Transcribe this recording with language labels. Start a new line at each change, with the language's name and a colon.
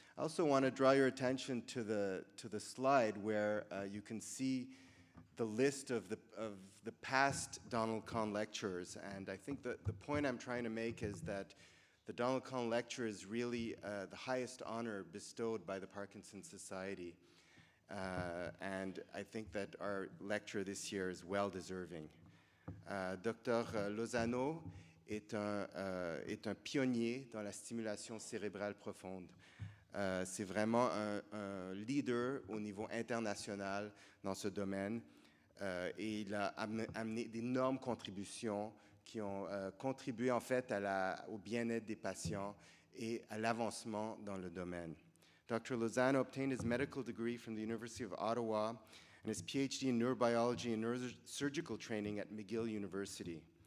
English: I also want to draw your attention to the slide where you can see the list of the past Donald Kahn lecturers. And I think the point I'm trying to make is that the Donald Kahn lecture is really the highest honor bestowed by the Parkinson Society. And I think that our lecture this year is well deserving. Dr.
French: Lozano est un pionnier dans la stimulation cérébrale profonde. C'est vraiment un leader au niveau international dans ce domaine. Et il a amené d'énormes contributions qui ont contribué en fait à au bien-être des patients et à l'avancement dans le domaine.
English: Dr. Lozano obtained his medical degree from the University of Ottawa and his PhD in neurobiology and neurosurgical training at McGill University.